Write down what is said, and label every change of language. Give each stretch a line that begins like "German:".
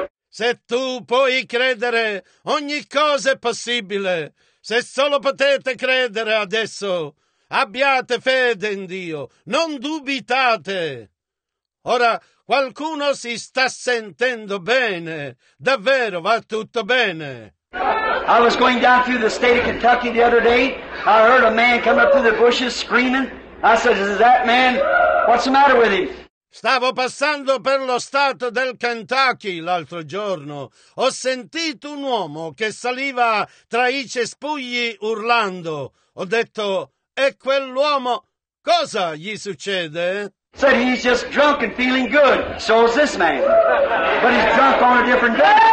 Italian: Se tu puoi credere, ogni cosa è possibile. Se solo potete credere adesso, abbiate fede in Dio, non dubitate. Ora, qualcuno si sta sentendo bene. Davvero, va tutto bene.
English: I was going down through the state of Kentucky the other day. I heard a man come up through the bushes screaming. I said, is that man... What's the matter with him?
Italian: Stavo passando per lo stato del Kentucky l'altro giorno. Ho sentito un uomo che saliva tra i cespugli urlando. Ho detto, e quell'uomo, cosa gli succede?
English: Said he's just drunk and feeling good. So is this man. But he's drunk on a different day.